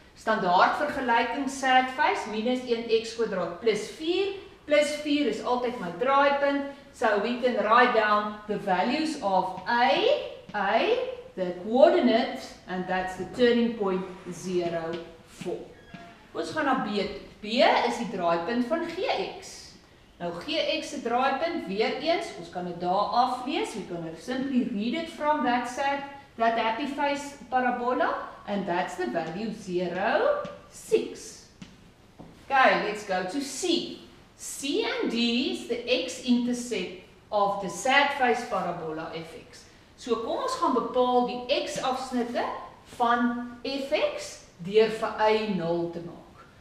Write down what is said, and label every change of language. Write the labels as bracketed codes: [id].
[af] Standaard vergelyking, [en] sad face, [af] minus 1x kwadraat plus 4, plus 4 is altyd my draaipunt. [en] So we can write down the values of a, the coordinate, and that's the turning point, 0, 4. [af] Ons gaan na b. B is die draaipunt van gx. Nou gx se draaipunt, weer eens, ons kan dit daar aflees. [en] We can simply read it from that set, that happy face parabola, and that's the value 0, 6. Okay, let's go to c. C and D is the x-intercept of the sad face parabola fx. [af] So kom ons gaan bepaal die x-afsnitte van fx deur vir y 0 te maak.